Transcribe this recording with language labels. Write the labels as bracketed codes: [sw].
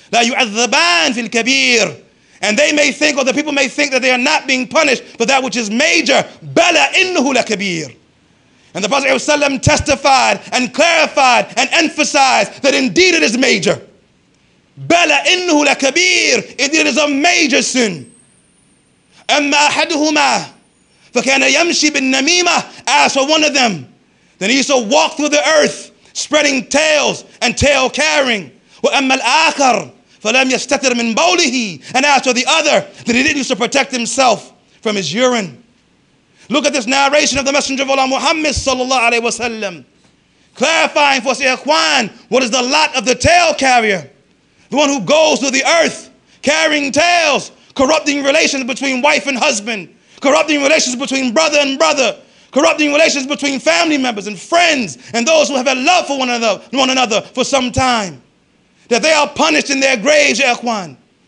[ar] لَا يُعَذَّبَانِ فِي الْكَبِيرِ, [en] and they may think, or the people may think, that they are not being punished for that which is major. [ar] بَلَا إِنُّهُ لَكَبِيرِ. [en] And the Prophet sallallahu alayhi wa sallam testified and clarified and emphasized that indeed it is major. [ar] بلى إنه لكبير. [en] It is a major sin. [ar] أما أحدهما فكان يمشي بالنميمة. [en] As for one of them, then he shall walk through the earth, spreading tales and tale carrying. [ar] وأما الآخر فلم يستتر من بوله. [en] And as for the other, then he didn't use to protect himself from his urine. Look at this narration of the Messenger of Allah Muhammad sallallahu alaihi wasallam, clarifying for us, Ikhwan, what is the lot of the tale carrier, the one who goes through the earth carrying tales, corrupting relations between wife and husband, corrupting relations between brother and brother, corrupting relations between family members and friends and those who have had love for one another for some time, that they are punished in their graves, Ikhwan.